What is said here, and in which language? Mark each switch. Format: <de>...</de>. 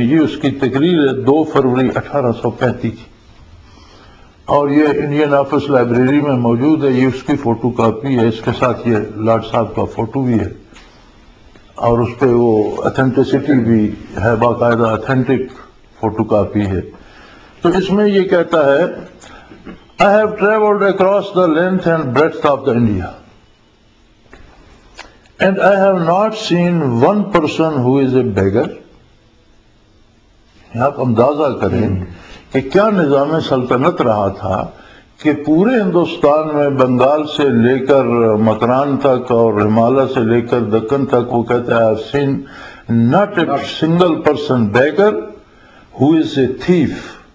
<ur>یہ اس کی تقریر ہے 2 فروری 1835. اور یہ انڈین آفس لائبریری میں موجود ہے. یہ اس کی فوٹو کاپی ہے, اس کے ساتھ یہ لارڈ صاحب کا فوٹو بھی ہے اور اس پہ وہ اتھینٹسٹی بھی ہے, باقاعدہ اتھینٹک فوٹو کاپی ہے. تو اس میں یہ کہتا ہے,</ur> <en>I have traveled across the length and breadth of the India and I have not seen one person who is a beggar.</en> <ur>آپ اندازہ کریں کہ کیا نظام سلطنت رہا تھا کہ پورے ہندوستان میں بنگال سے لے کر مکران تک اور ہمالیہ سے لے کر دکن تک وہ کہتا ہے,</ur> <en>I have seen not a single person beggar who is a thief.</en>